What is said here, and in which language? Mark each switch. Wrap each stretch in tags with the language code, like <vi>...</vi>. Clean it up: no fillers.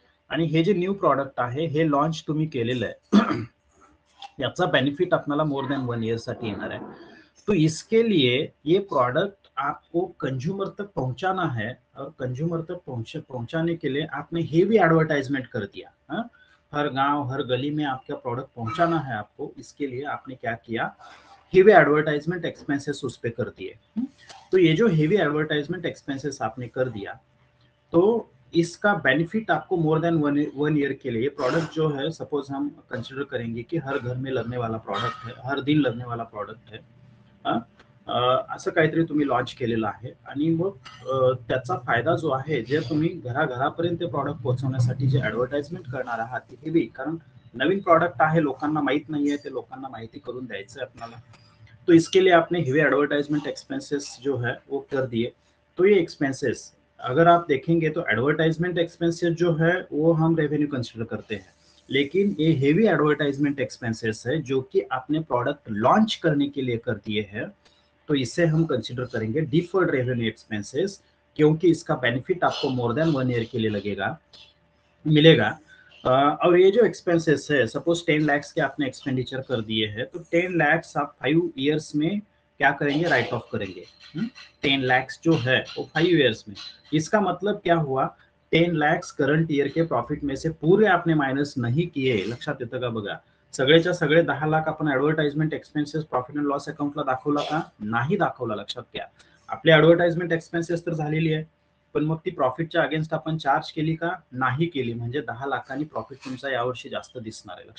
<mr>आणि हे जे न्यू प्रोडक्ट आहे हे लॉन्च तुम्ही केलेलं आहे याचा बेनिफिट आपल्याला मोर देन 1 ईयर साठी येणार आहे,</mr> <hi>तो इसके लिए ये प्रोडक्ट आपको कंज्यूमर तक पहुंचाना है, और कंज्यूमर तक पहुंचाने के लिए आपने हेवी एडवर्टाइजमेंट कर दिया, हर गांव हर गली में आपका प्रोडक्ट पहुंचाना है आपको, इसके लिए आपने क्या किया हेवी एडवर्टाइजमेंट एक्सपेंसेस उस पे कर दिए। तो ये जो हेवी एडवर्टाइजमेंट एक्सपेंसेस आपने कर दिया तो इसका बेनिफिट आपको मोर देन 1 ईयर के लिए, प्रोडक्ट जो है सपोज हम कंसिडर करेंगे कि हर घर में लगने वाला प्रोडक्ट है, हर दिन लगने वाला प्रोडक्ट है,</hi> <mr>असं काहीतरी तुम्ही लॉन्च केलेलं आहे, आणि मग त्याचा फायदा जो आहे जे तुम्ही घराघरापर्यंत प्रॉडक्ट पोहोचवण्यासाठी जे ॲडव्हर्टाईजमेंट करणार आहात ते हेवी, कारण नवीन प्रॉडक्ट आहे लोकांना माहीत नाही आहे, ते लोकांना माहिती करून द्यायचं आहे आपल्याला,</mr> <hi>तो इसके लिए आपने हेवी ॲडव्हर्टाईजमेंट एक्सपेन्सेस जो है वो कर दिए। तो ये एक्सपेन्सेस अगर आप देखेंगे तो ॲडव्हर्टाईजमेंट एक्सपेन्सेस जो है वो हम रेवेन्यू कंसिडर करते हैं, लेकिन ये हेवी ॲडव्हर्टाईजमेंट एक्सपेन्सेस है जो कि आपने प्रॉडक्ट लॉन्च करने के लिए कर दिए है, तो इसे हम कंसिडर करेंगे डिफर्ड रेवेन्यू एक्सपेंसेस, क्योंकि इसका बेनिफिट आपको मोर देन 1 ईयर के लिए लगेगा मिलेगा। और ये जो एक्सपेंसेस है, सपोज 10 लाख के आपने एक्सपेंडिचर कर दिए है, तो 10 लाख आप 5 ईयर्स में क्या करेंगे, राइट ऑफ करेंगे। 10 लाख जो है वो 5 ईयर्स में, इसका मतलब क्या हुआ, 10 लाख करंट ईयर के प्रॉफिट में से पूरे आपने माइनस नहीं किए।</hi> <mr>लक्षात येतं का बघा, सगळेच्या सगळे 10 लाख आपण advertisement expenses profit and loss अकाउंटला दाखवला का, नाही दाखवला। लक्षात घ्या, आपली ऍडव्हर्टाइजमेंट एक्सपेन्सेस तर झालेली आहे, पण मग ती प्रॉफिटच्या अगेन्स्ट आपण चार्ज केली का, नाही केली, म्हणजे 10 लाखांनी प्रॉफिट तुमचा यावर्षी जास्त दिसणार आहे।</mr>